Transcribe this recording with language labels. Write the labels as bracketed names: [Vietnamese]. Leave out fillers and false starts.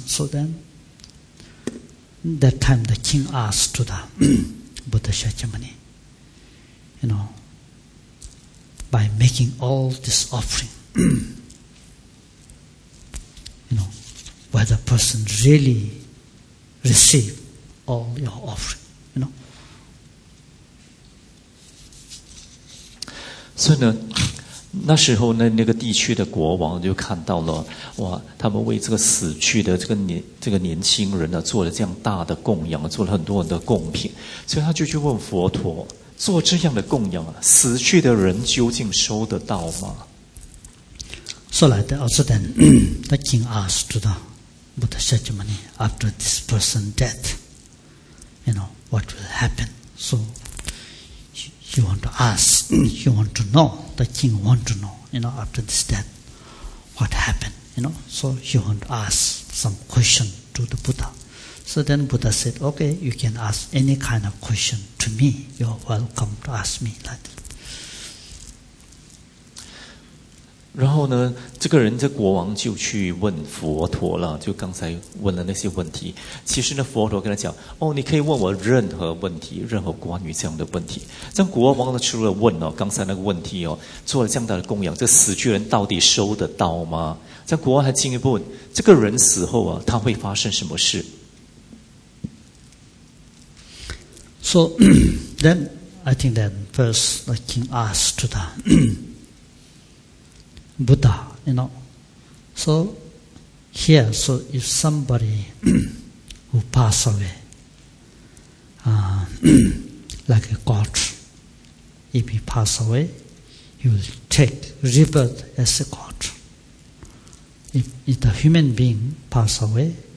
[English] So then, that time the king asked to the Buddha Shakyamuni, you know, by making all this offering, you know, whether the person really receive all your offering. [Chinese] 所以呢，那时候呢，那个地区的国王就看到了，哇，他们为这个死去的这个年轻人呢，做了这样大的供养，做了很多人的贡品，所以他就去问佛陀，做这样的供养啊，死去的人究竟收得到吗？ [English] So like that, also then, the king asked to the Buddha Shakyamuni, after this person dead, you know, what will happen? So. You want to ask, you want to know, the king want to know, you know, after this death, what happened, you know. So you want to ask some question to the Buddha. So then Buddha said, okay, you can ask any kind of question to me. You're welcome to ask me that. [Chinese] 然后呢，这个人，这国王就去问佛陀了，就刚才问了那些问题。其实呢，佛陀跟他讲，哦，你可以问我任何问题，任何关于这样的问题。这样国王呢，除了问哦，刚才那个问题哦，做了这样大的供养，这死去人到底收得到吗？这样国王还进一步问，这个人死后啊，他会发生什么事 [English] ？So then, I think that first the king asked to the Buddha, you know. So, here, so if somebody who pass away, like a god, if he pass away, he will take rebirth as a god. If the human being pass away,